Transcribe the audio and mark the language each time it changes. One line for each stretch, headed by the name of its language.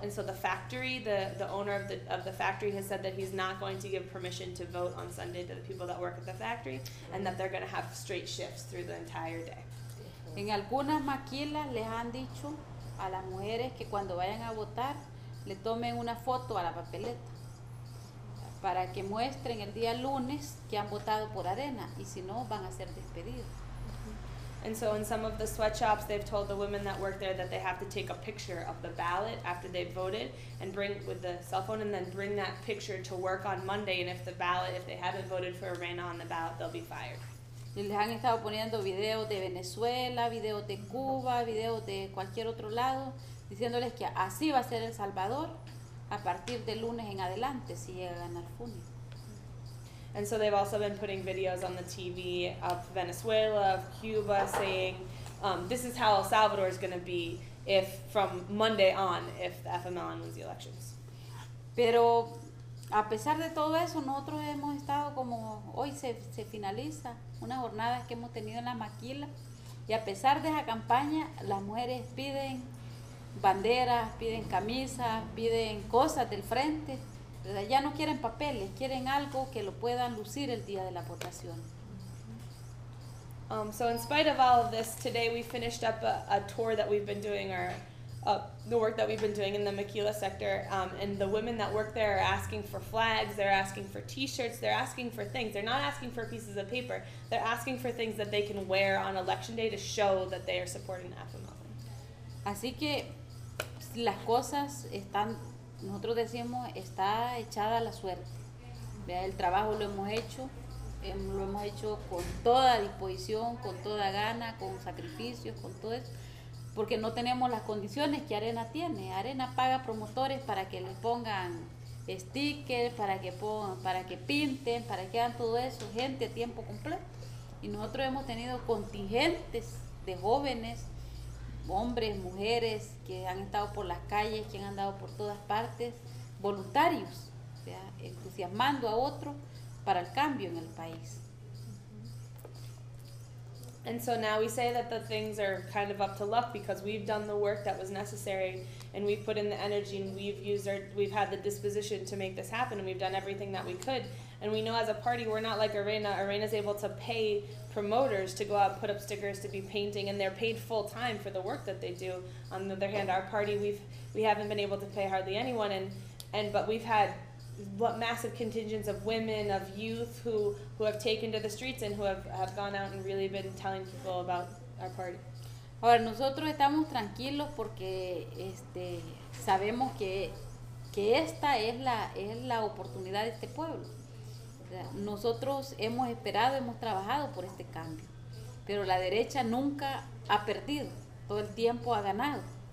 English: And so the factory, the owner of the factory has said that he's not going to give permission to vote on Sunday to the people that work at the factory, and that they're going to have straight shifts through the entire day.
Spanish: En algunas maquilas les han dicho a las mujeres que cuando vayan a votar, le tomen una foto a la papeleta para que muestren el día lunes que han votado por arena, y si no, van a ser despedidos.
English: And so in some of the sweatshops, they've told the women that work there that they have to take a picture of the ballot after they've voted and bring with the cell phone, and then bring that picture to work on Monday. And if the ballot, if they haven't voted for Arena on the ballot, they'll be fired.
Spanish: Y les han estado poniendo videos de Venezuela, videos de Cuba, videos de cualquier otro lado, diciéndoles que así va a ser El Salvador a partir de lunes en adelante si llega a ganar Funes.
English: And so they've also been putting videos on the TV of Venezuela, of Cuba, saying, this is how El Salvador is going to be if from Monday on, if the FMLN wins the elections.
Spanish: Pero a pesar de todo eso, nosotros hemos estado como, hoy se finaliza una jornada que hemos tenido en la maquila, y a pesar de esa campaña, las mujeres piden banderas, piden camisas, piden cosas del frente. Ya no quieren papeles, quieren algo que lo puedan lucir el día de la votación.
English: So in spite of all of this, today we finished up a tour that we've been doing, the work that we've been doing in the maquila sector, and the women that work there are asking for flags, they're asking for t-shirts, they're asking for things. They're not asking for pieces of paper, they're asking for things that they can wear on election day to show that they are supporting the FMLN.
Spanish: Así que las cosas están... Nosotros decimos, está echada la suerte. ¿Vean? El trabajo lo hemos hecho con toda disposición, con toda gana, con sacrificios, con todo eso, porque no tenemos las condiciones que Arena tiene. Arena paga promotores para que les pongan stickers, para que pinten, para que hagan todo eso, gente a tiempo completo. Y nosotros hemos tenido contingentes de jóvenes, hombres, mujeres, que han estado por las calles, que han andado por todas partes, voluntarios, o sea, entusiasmando a otro para el cambio en el país.
English: And so now we say that the things are kind of up to luck because we've done the work that was necessary and we've put in the energy and we've had the disposition to make this happen and we've done everything that we could. And we know as a party we're not like Arena. Arena is able to pay promoters to go out, put up stickers, to be painting, and they're paid full time for the work that they do. On the other hand, our party, we haven't been able to pay hardly anyone, but we've had massive contingents of women, of youth who have taken to the streets and who have gone out and really been telling people about our party.
Spanish: Ahora nosotros estamos tranquilos porque sabemos que esta es la oportunidad de este pueblo. Nosotros hemos esperado, hemos trabajado por este cambio, pero la derecha nunca ha perdido, todo el tiempo ha ganado.